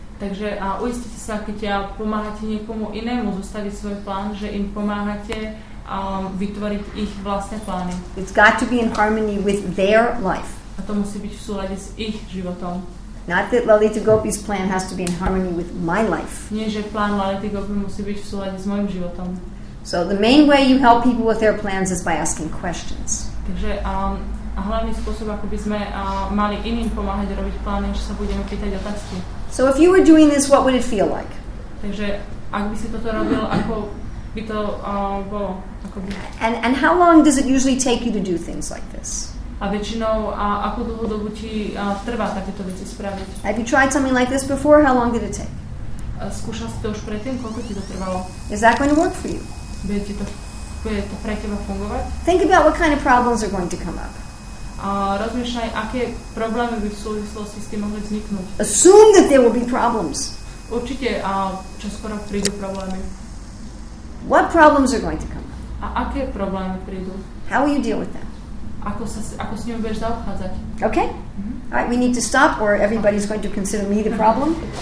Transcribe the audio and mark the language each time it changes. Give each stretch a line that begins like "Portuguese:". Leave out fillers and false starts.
Slovak: Takže a uistite sa, keď pomáhate niekomu inému zostaviť svoj plán, že im pomáhate vytvoriť ich vlastné plány.
English: It's got to be in harmony with their life.
Slovak: A to musí byť v súlade s ich životom.
English: Not that Lalita Gopi's plan has to be in harmony with my life.
Slovak: Nie, že plán Lality Gopi musí byť v súlade s mojim životom.
English: So the main way you help people with their plans is by asking questions.
Slovak: Takže a hlavný spôsob, ako by sme mali iným pomáhať robiť plány, že sa budeme pýtať otázky.
English: So if you were doing this, what would it feel like?
Slovak: Takže ak by si toto robil, ako by to bolo? Ako by...
English: And how long does it usually take you to do things like this?
Slovak: A väčšinou, a ako dlho dobu ti trvá takéto veci spraviť?
English: Have you tried something like this before? How long did it take?
Slovak: Skúšal si to už predtým? Koľko ti to trvalo?
English: Is that going to work for you?
Slovak: Bude to pre teba fungovať?
English: Think about what kind of problems are going to come up.
Slovak: A rozmýšľaj, aké problémy by v súvislosti s tým mohli vzniknúť.
English: Assume that there will be problems.
Slovak: Určite, a čo skoro prídu problémy.
English: What problems are going to come up?
Slovak: A aké problémy prídu?
English: How will you deal with them?
Slovak: Ako s ním budeš zaobchádzať?
English: Okay. Mm-hmm. All right, we need to stop or everybody's okay. Going to consider me the problem.